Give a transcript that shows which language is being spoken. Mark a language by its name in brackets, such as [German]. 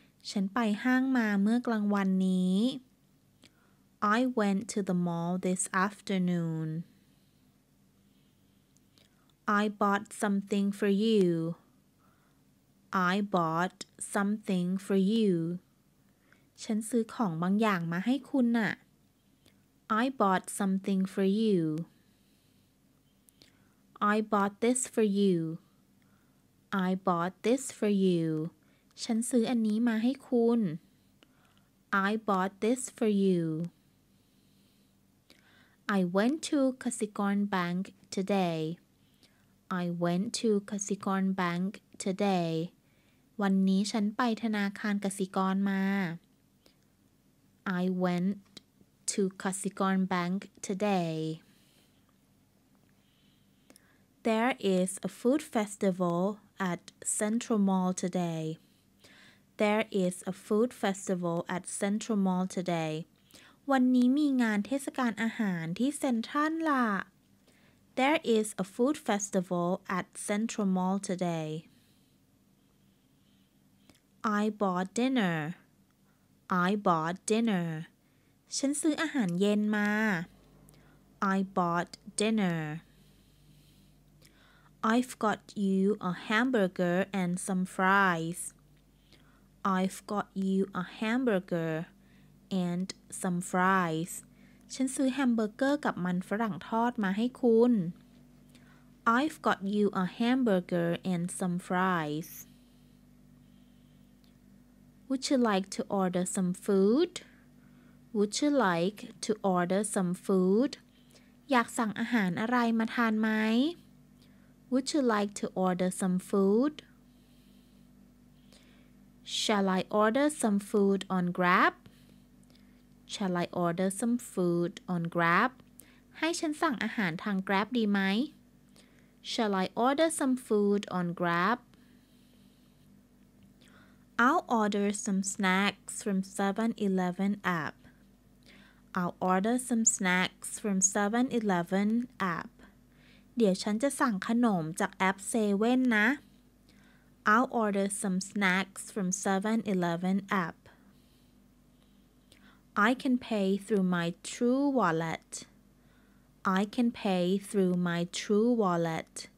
[Thai] ฉันไปห้างมาเมื่อกลางวันนี้ [English] I went to the mall this afternoon. I bought something for you. I bought something for you. [Thai] ฉันซื้อของบางอย่างมาให้คุณน่ะ [English] I bought something for you. I bought this for you. I bought this for you. [Thai] ฉันซื้ออันนี้มาให้คุณ [English] I bought this for you. I went to Kasikorn Bank today. I went to Kasikorn Bank today. [Thai] วันนี้ฉันไปธนาคารกสิกรมา [English] I went to Kasikorn Bank today. There is a food festival at Central Mall today. There is a food festival at Central Mall today. [Thai] วันนี้มีงานเทศกาลอาหารที่เซ็นทรัลล่ะ [English] There is a food festival at Central Mall today. I bought dinner. I bought dinner. [Thai] ฉันซื้ออาหารเย็นมา [English] I bought dinner. I've got you a hamburger and some fries. I've got you a hamburgerand some fries [Thai] ฉันซื้อแฮมเบอร์เกอร์กับมันฝรั่งทอดมาให้คุณ [English] I've got you a hamburger and some fries Would you like to order some food? Would you like to order some food? [Thai] อยากสั่งอาหารอะไรมาทานไหม [English] Would you like to order some food? Shall I order some food on GrabShall I order some food on Grab? [Thai] ให้ฉันสั่งอาหารทาง Grab ดีไหม [English] Shall I order some food on Grab? I'll order some snacks from 7-Eleven app. I'll order some snacks from 7-Eleven app. [Thai] เดี๋ยวฉันจะสั่งขนมจากแอป7-Eleven นะ [English] I'll order some snacks from 7-Eleven app. I can pay through my true wallet. I can pay through my true wallet.